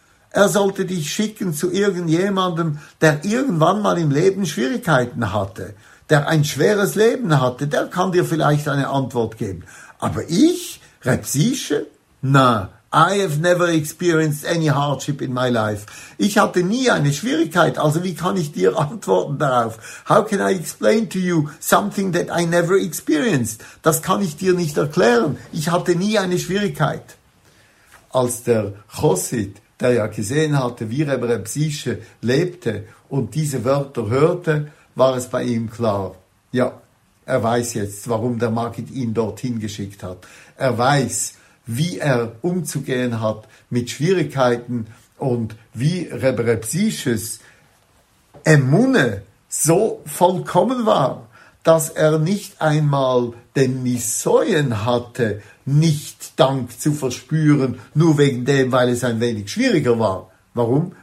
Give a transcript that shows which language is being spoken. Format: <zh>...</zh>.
<de>Er sollte dich schicken zu irgendjemandem, der irgendwann mal im Leben Schwierigkeiten hatte, der ein schweres Leben hatte, der kann dir vielleicht eine Antwort geben. Aber ich,</de> <en>Reb Sische?</en> <de>Nein,</de> <en>I have never experienced any hardship in my life.</en> <de>Ich hatte nie eine Schwierigkeit, also wie kann ich dir antworten darauf?</de> <en>How can I explain to you something that I never experienced?</en> <de>Das kann ich dir nicht erklären. Ich hatte nie eine Schwierigkeit. Als der Chosid, der ja gesehen hatte, wie Reb Sische lebte und diese Wörter hörte, war es bei ihm klar. Ja, er weiß jetzt, warum der Magid ihn dorthin geschickt hat. Er weiß, wie er umzugehen hat mit Schwierigkeiten und wie Reb Sisches Emune so vollkommen war, dass er nicht einmal den Nisoyen hatte, nicht Dank zu verspüren, nur wegen dem, weil es ein wenig schwieriger war. Warum?</de>